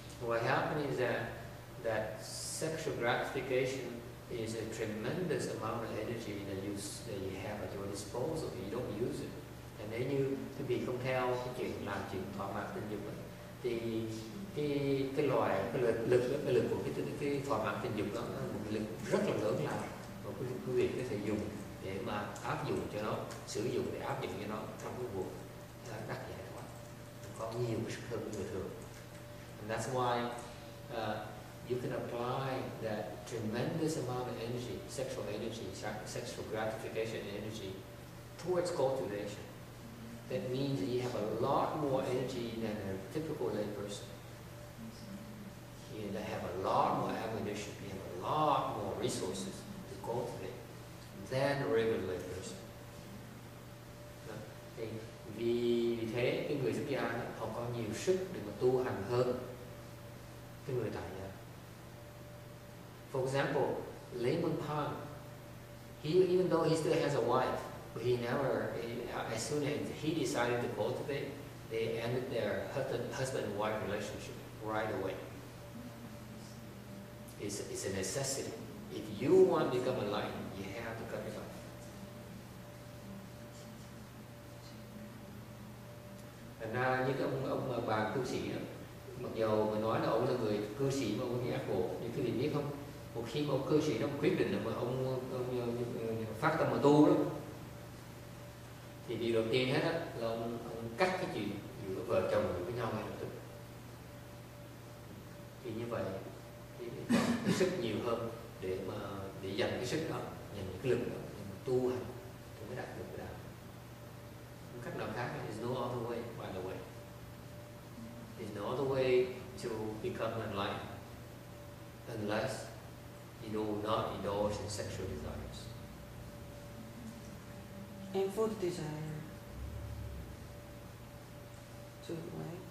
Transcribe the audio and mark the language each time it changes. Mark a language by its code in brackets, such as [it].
[en] What happens is that sexual gratification is a tremendous amount of energy that you have at your disposal. You don't use it, and then you to be [vi] không theo cái chuyện làm chuyện thỏa mãn tình dục ấy, thì cái lực của cái thỏa mãn tình dục đó là một cái lực rất là lớn lao, và quý vị có thể dùng để mà áp dụng cho nó, sử dụng để áp dụng cho nó trong cái cuộc đắc giải thoát, có nhiều cái sức hơn người thường. [en] And that's why you can apply that tremendous amount of energy, sexual gratification energy, towards cultivation. That means that you have a lot more energy than a typical lay person. You have a lot more ammunition, you have a lot more resources to cultivate than a regular lay person. [vi] Vì thế, cái người xuất gia họ có nhiều sức để mà tu hành hơn cái người tại gia. [en] For example, Layman Pan, even though he still has a wife, but as soon as he decided to cultivate, they ended their husband-wife relationship right away. It's a necessity. If you want to become enlightened, you have to cut it off. [vi] Thành ra như cái ông bà cư sĩ đó, mặc dù mình nói là ông là người cư sĩ mà ông nghĩ ác bộ, nhưng quý vị biết không, một khi một cư sĩ nó quyết định là mà ông phát tâm mà tu đó, thì điều đầu tiên hết á là ông cắt cái chuyện giữa vợ chồng với nhau ngay lập tức. Thì như vậy thì có cái sức nhiều hơn để dành cái sức đó, dành cái lực đó để mà tu hành thì mới đạt được cái đạo. Một cách nào khác [en] is no other way, by the way. There's no other way to become enlightened unless you do not indulge in sexual desires. And food desire, too, right?